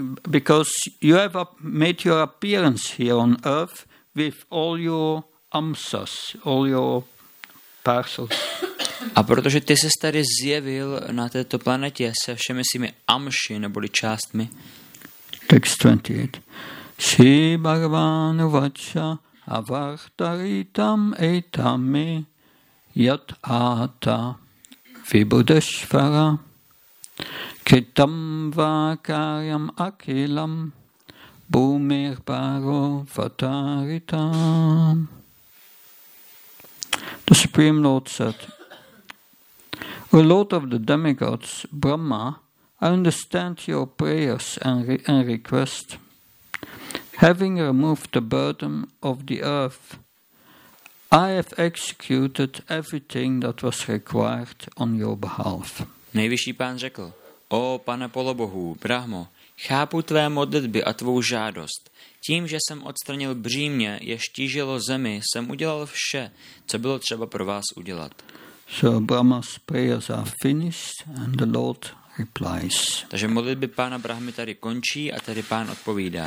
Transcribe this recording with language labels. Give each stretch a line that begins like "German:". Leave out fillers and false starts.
English: Because you have made your appearance here on earth with all your amsas, all your parcels.
Czech: A protože ty ses tady zjevil na této planetě se všemi svými amši neboli částmi.
English: Text 28.
Sanskrit: Shri Bhagavan Vacha Avartaritam Etame Yat Ata Vibhudeshvara Kitam Vakaryam Akilam Bhumir Bharo Vataritam.
English: The Supreme Lord said, O Lord of the demigods, Brahma, I understand your prayers and request. Having removed the burden of the earth, I have executed everything that was required on your behalf.
Czech: Nejvyšší pán řekl, O pane polobohu, Brahmo, chápu tvé modlitby a tvou žádost. Tím, že jsem odstranil břímě, jež tížilo zemi, jsem udělal vše, co bylo třeba pro vás udělat.
English: So Brahma's prayers are finished and the Lord replies.
Czech: Takže modlitby pána Brahmy tady končí a tady pán odpovídá.